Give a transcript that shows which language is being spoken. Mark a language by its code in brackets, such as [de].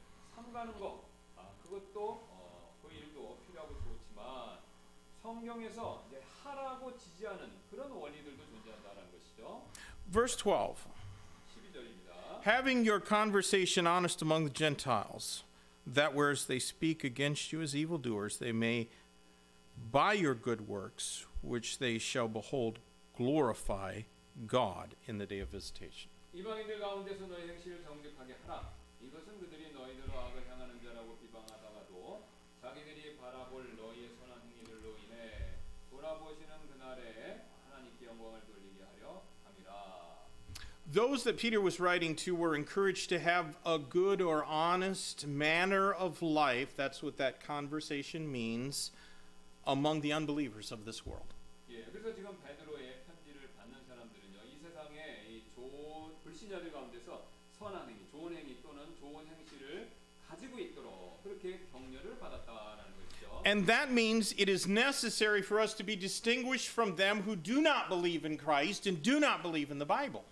[ko] 삼가는 것, 아, 그것도 그 일도 필요하고 좋지만 성경에서 이제 하라고 지지하는 그런 원리들도 존재한다라는 것이죠. [en] Verse 12. [ko] 12절입니다. [en] Having your conversation honest among the Gentiles, that whereas they speak against you as evildoers, they may by your good works, which they shall behold, glorify God in the day of visitation. [ko] 이방인들 가운데서 너의 행실을 정직하게 하라. 이것은 그들이 너희들로 악을 향하는 자라고 비방하다가도 자기들이 바라볼 너희의 선한 행위들로 인해 돌아보시는 그날에 하나님께 영광을 돌리게 하려 함이라. [en] Those that Peter was writing to were encouraged to have a good or honest manner of life. That's what that conversation means among the unbelievers of this world. [ko] 예, 그래서 지금 베드로의 편지를 받는 사람들은요, 이 세상의 이 좋은 불신자들 가운데서 선한 행위, 좋은 행위 또는 좋은 행실을 가지고 있도록 그렇게 격려를 받았다라는 것이죠. [en] And that means it is necessary for us to be distinguished from them who do not believe in Christ and do not believe in the Bible.